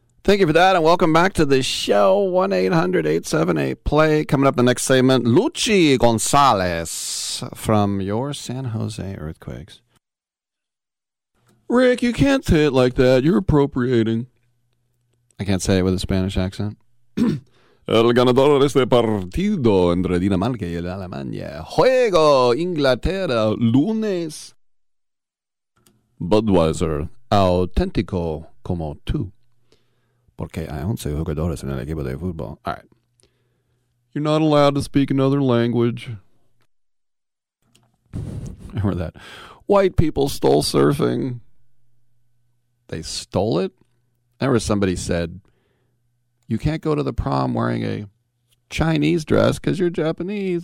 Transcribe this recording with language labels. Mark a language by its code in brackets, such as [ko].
[en] Thank you for that, and welcome back to the show. 1-800-878-PLAY. Coming up in the next segment, Luchi Gonzalez from your San Jose Earthquakes. Rick, you can't say it like that. You're appropriating. I can't say it with a Spanish accent. [es] El ganador de este partido entre Dinamarca y Alemania. Juego Inglaterra, lunes. Budweiser, auténtico como tú. Porque hay 11 jugadores en el equipo de fútbol. [en] All right. You're not allowed to speak another language. Remember that. White people stole surfing. They stole it? I remember somebody said, you can't go to the prom wearing a Chinese dress because you're Japanese.